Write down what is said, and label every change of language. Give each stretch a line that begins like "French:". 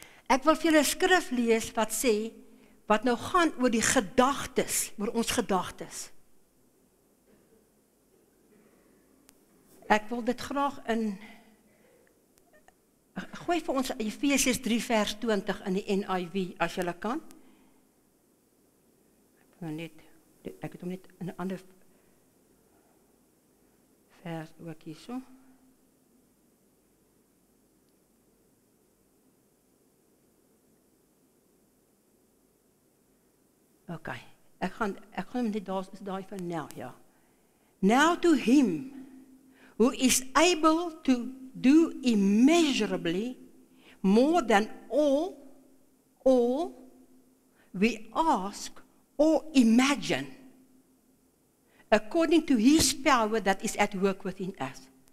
Afrikaans: Ek wil vir julle skrif lees wat sê, wat nou gaan oor die gedagtes, oor ons gedagtes. Ek wil dit graag in, gooi vir ons Efesiërs 3 vers 20 in die NIV, as julle kan. Ek het om net in een ander vers ook hier so. Oké, okay. ek gaan hem dit daar, is daar van now, ja.
English: Now to him who is able to do immeasurably more than all we ask or imagine, according to his power that is at work within us.